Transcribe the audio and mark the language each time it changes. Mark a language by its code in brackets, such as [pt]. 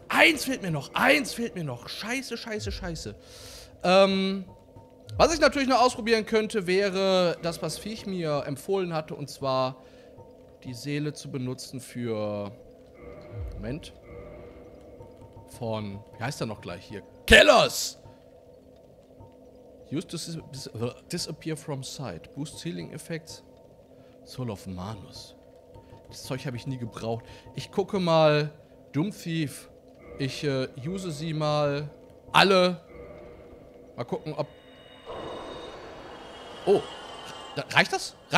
[de] Eins fehlt mir noch. Scheiße. Was ich natürlich noch ausprobieren könnte, wäre das, was Viech mir empfohlen hatte, und zwar die Seele zu benutzen für... Moment. Von... Wie heißt er noch gleich hier? Kellos! [en] Used to disappear from sight. Boost healing effects. Soul of Manus. [de] Das Zeug habe ich nie gebraucht. Ich gucke mal... Doom Thief. Ich use sie mal... Alle. Mal gucken, ob... Oh. Reicht das?